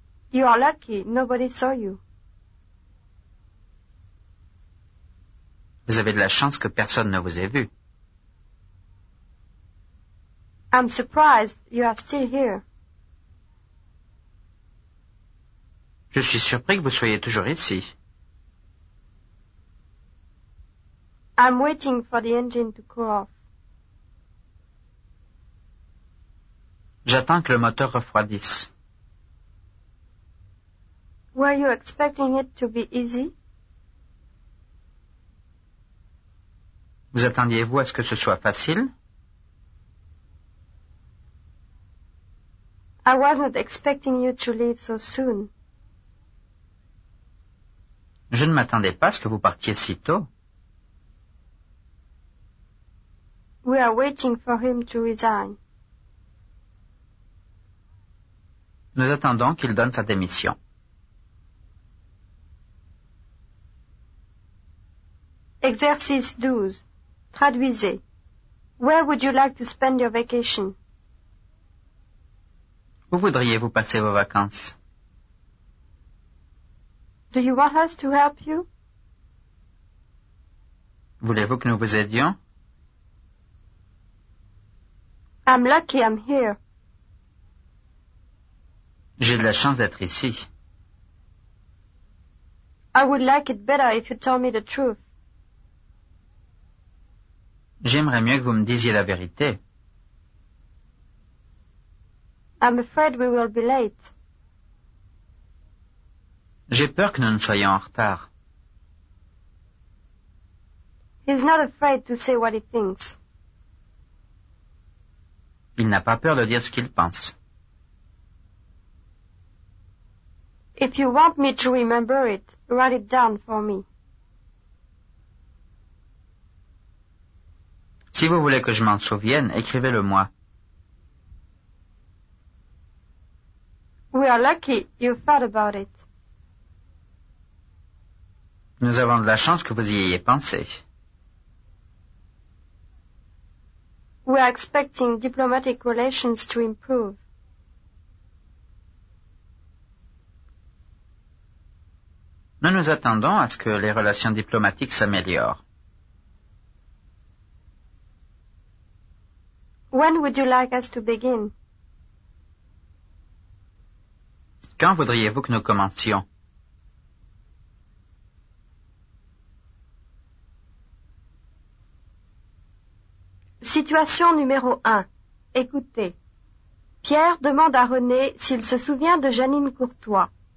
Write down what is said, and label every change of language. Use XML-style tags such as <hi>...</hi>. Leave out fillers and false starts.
<en>You are lucky, nobody saw you.</en> <fr>Vous avez de la chance que personne ne vous ait vu.</fr> <en>I'm surprised you are still here.</en> <fr>Je suis surpris que vous soyez toujours ici.</fr> <en>I'm waiting for the engine to cool off.</en> <fr>J'attends que le moteur refroidisse.</fr> <en>Were you expecting it to be easy?</en> <fr>Vous attendiez-vous à ce que ce soit facile?</fr> <en>I wasn't expecting you to leave so soon.</en> <fr>Je ne m'attendais pas à ce que vous partiez si tôt.</fr> <en>We are waiting for him to resign.</en> <fr>Nous attendons qu'il donne sa démission. Exercice 12. Traduisez.</fr> <en>Where would you like to spend your vacation?</en> <fr>Où voudriez-vous passer vos vacances?</fr> <en>Do you want us to help you?</en> <fr>Voulez-vous que nous vous aidions?</fr> <en>I'm lucky I'm here.</en> <fr>J'ai de la chance d'être ici.</fr> <en>I would like it better if you told me the truth.</en> <fr>J'aimerais mieux que vous me disiez la vérité.</fr> <en>I'm afraid we will be late.</en> <fr>J'ai peur que nous ne soyons en retard.</fr> <en>He's not afraid to say what he thinks.</en> <fr>Il n'a pas peur de dire ce qu'il pense.</fr> <en>If you want me to remember it, write it down for me.</en> <fr>Si vous voulez que je m'en souvienne, écrivez-le moi.</fr> <en>We are lucky you thought about it.</en> <fr>Nous avons de la chance que vous y ayez pensé.</fr> <en>We are expecting diplomatic relations to improve.</en> <fr>Nous nous attendons à ce que les relations diplomatiques s'améliorent.</fr> <en>When would you like us to begin?</en> <fr>Quand voudriez-vous que nous commencions? Situation numéro 1. Écoutez. Pierre demande à René s'il se souvient de Jeanine Courtois.</fr>